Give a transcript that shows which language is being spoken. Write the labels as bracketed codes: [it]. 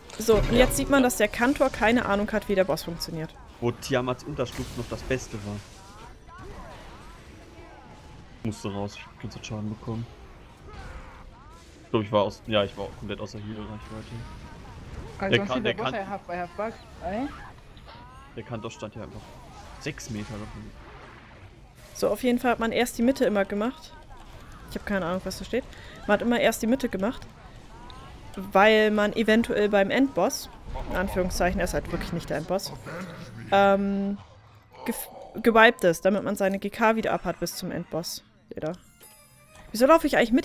[de] So, und jetzt sieht man, Ja. dass der Kantor keine Ahnung hat, wie der Boss funktioniert. Wo Tiamats Unterschlupf noch das Beste war. Musste raus, ich hab ganz viel Schaden bekommen. Ich glaube, ich war aus. Ja, ich war auch komplett außer Heal-Reichweite. [en] I don't see the boss, I have bugs, eh? [de] Der Kantor stand ja einfach 6 Meter davon. So, auf jeden Fall hat man erst die Mitte immer gemacht. Ich habe keine Ahnung, was da steht. Man hat immer erst die Mitte gemacht. Weil man eventuell beim Endboss, in Anführungszeichen, er ist halt wirklich nicht der Endboss, gewiped ist, damit man seine GK wieder ab hat bis zum Endboss. Jeder. Wieso laufe ich eigentlich mit?